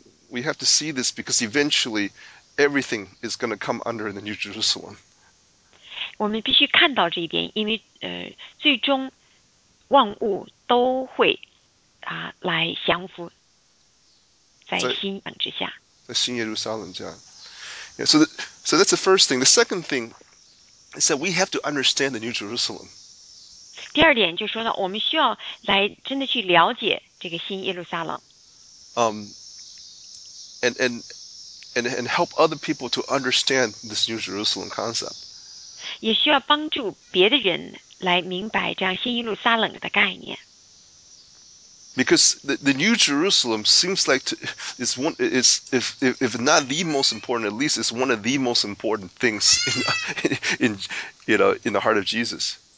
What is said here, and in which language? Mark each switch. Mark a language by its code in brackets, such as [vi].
[en] We have to see this because eventually everything is going to come under the New Jerusalem. [zh] 我们必须看到这一点，因为最终 万物都会来降服在新约之下，在新耶路撒冷这样。 [en] So that's the first thing. The second thing is that we have to understand the New Jerusalem. [zh] 第二点就是说呢，我们需要来真的去了解这个新耶路撒冷。 [en] And help other people to understand this New Jerusalem concept. [zh] 也需要帮助别的人 来明白这样新耶路撒冷的概念。 [en] Because the New Jerusalem seems like is one is if not the most important, at least it's one of the most important things in the heart of Jesus.